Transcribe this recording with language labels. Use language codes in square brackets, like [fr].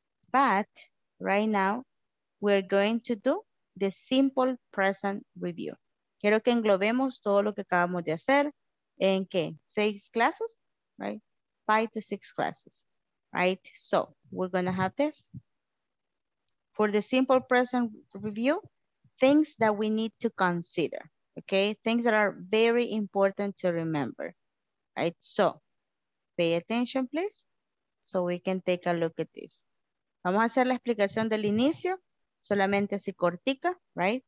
[en] But right now, we're going to do the simple present review. [es] Quiero que englobemos todo lo que acabamos de hacer. ¿En qué? ¿Seis clases? [en] Right? 5 to 6 classes. Right? So, we're going to have this. For the simple present review, things that we need to consider, okay? Things that are very important to remember, right? So, pay attention, please, so we can take a look at this. [es] Vamos a hacer la explicación del inicio, solamente así cortica, right?